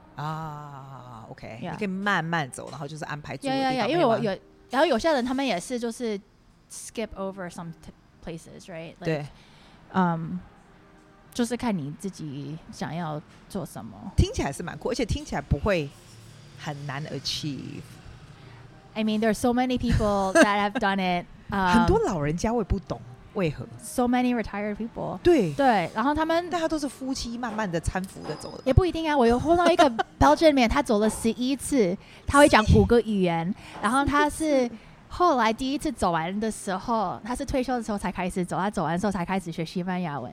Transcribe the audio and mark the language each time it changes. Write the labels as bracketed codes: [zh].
[zh] 啊 ，OK，、yeah. 你可以慢慢走，然后就是安排住的地方。 Yeah, yeah, yeah, 因为我有，然后有些人他们也是就是 [en] skip over some places, [zh] right? Like, 对，就是看你自己想要做什么。听起来是蛮酷，而且听起来不会很难 achieve。 [en] I mean, there are so many people that have done it. [zh] 很多老人家我也不懂为何。 [en] So many retired people. [zh] 对对，然后他们，但他都是夫妻慢慢的搀扶着走的。也不一定啊，我有碰到一个 Belgian man， 他走了十一次，他会讲五个语言，然后他是。后来第一次走完的时候，他是退休的时候才开始走，他走完的时候才开始学西班牙文。